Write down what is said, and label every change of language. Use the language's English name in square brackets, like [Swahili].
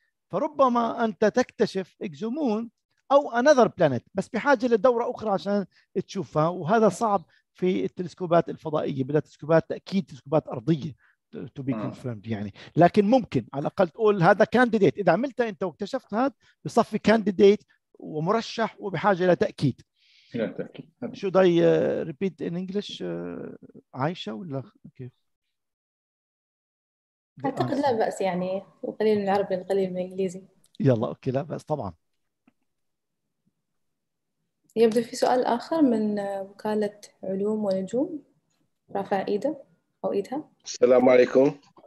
[Arabic] فربما أنت تكتشف إكزو مون أو أنذر بلانت بس بحاجة لدورة أخرى عشان تشوفها، وهذا صعب في التلسكوبات الفضائية، بدأ تلسكوبات تأكيد تلسكوبات أرضية [English] to be confirmed [Arabic] يعني، لكن ممكن على الأقل تقول هذا candidate، إذا عملتها أنت واكتشفت هذا بصف candidate ومرشح وبحاجة إلى تأكيد. [English] Should I repeat in English [Arabic] عائشة ولا كيف؟ أعتقد لا بأس يعني، وقليل من العربي وقليل من الإنجليزي. يلا أوكي لا بأس طبعا. يبدو في سؤال آخر من وكالة علوم ونجوم، رفع إيده أو إيدها. السلام عليكم.